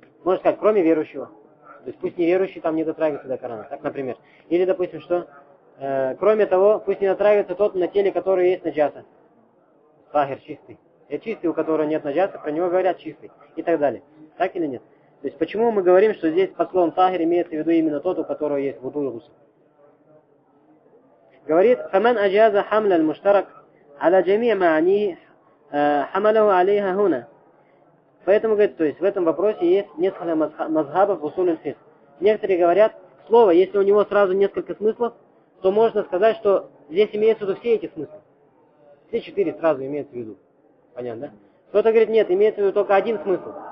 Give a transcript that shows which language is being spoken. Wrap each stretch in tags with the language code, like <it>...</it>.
<ru>Можно сказать, кроме верующего. То есть пусть неверующий там не дотрагивается до Корана, так, например. Или, допустим, что? Кроме того, пусть не дотрагивается тот, на теле которого есть наджаса. Тагер чистый. Это чистый, у которого нет наджаса, про него говорят чистый. И так далее. Так или нет? То есть почему мы говорим, что здесь по словам тагер имеется в виду именно тот, у которого есть вуду и гусль? Говорит,</ru> <ar>فَمَنْ أَجَازَ حَمْلَ الْمُشْتَرَكْ عَلَى جَمِيعَ مَعَنِيهِ حمله عليها هنا.</ar> <ru>Поэтому говорит, то есть в этом вопросе есть несколько мазхабов в усуль аль-фикх. Некоторые говорят, слово, если у него сразу несколько смыслов, то можно сказать, что здесь имеются в виду все эти смыслы. Все четыре сразу имеются в виду. Понятно, да? Кто-то говорит, нет, имеется в виду только один смысл.</ru>